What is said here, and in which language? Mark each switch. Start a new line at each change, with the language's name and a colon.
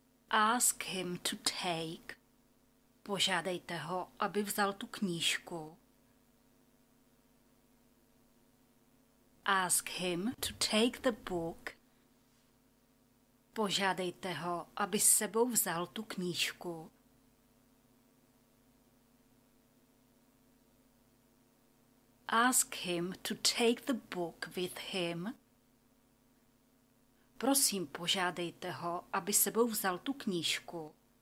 English: Ask him to take.
Czech: Požádejte ho, aby vzal tu knížku.
English: Ask him to take the book.
Czech: Požádejte ho, aby s sebou vzal tu knížku.
English: Ask him to take the book with him.
Czech: Prosím, požádejte ho, aby s sebou vzal tu knížku.